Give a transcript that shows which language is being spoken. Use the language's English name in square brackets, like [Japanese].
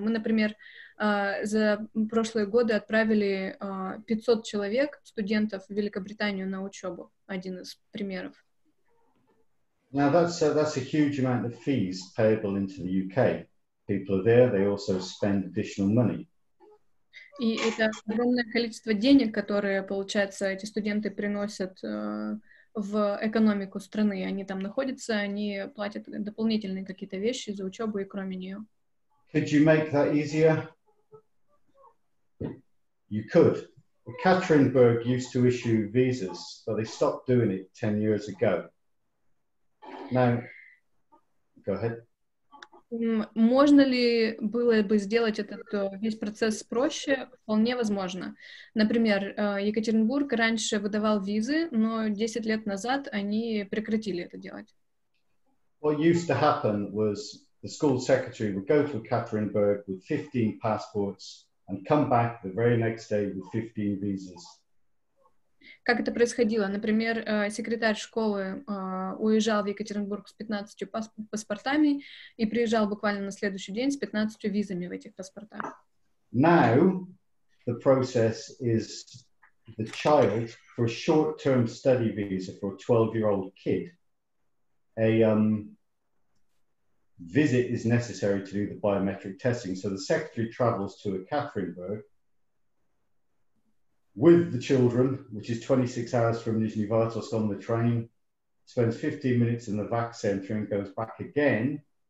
[Russian] Мы, например, за прошлые годы отправили 500 человек, студентов, в Великобританию на учебу. Один из примеров. [English] Now, that's a huge amount of fees payable into the UK. People are there, they also spend additional money. [Russian] И это огромное количество денег, которые, получается, эти студенты приносят в экономику страны. Они там находятся, они платят дополнительные какие-то вещи за учебу и кроме нее. [English] Could you make that easier? You could. Ekaterinburg used to issue visas, but they stopped doing it 10 years ago. Now, go ahead. [Russian] Можно ли было бы сделать этот весь процесс проще? Вполне возможно. Например, Екатеринбург раньше выдавал визы, но 10 лет назад они прекратили это делать. [English] What used to happen was the school secretary would go to Екатеринбург with 15 passports and come back the very next day with 15 visas. [Russian] Как это происходило? Например, секретарь школы уезжал в Екатеринбург с 15 паспортами и приезжал буквально на следующий день с 15 визами в этих паспортах. [English] Now the process is the child for a short-term study visa for a 12-year-old kid. A visit is necessary to do the biometric testing. So the secretary travels to Екатеринбург with the children, which is 26 hours from Nizhny Vartovsk on the train, spends 15 minutes in the VAC center and goes back again.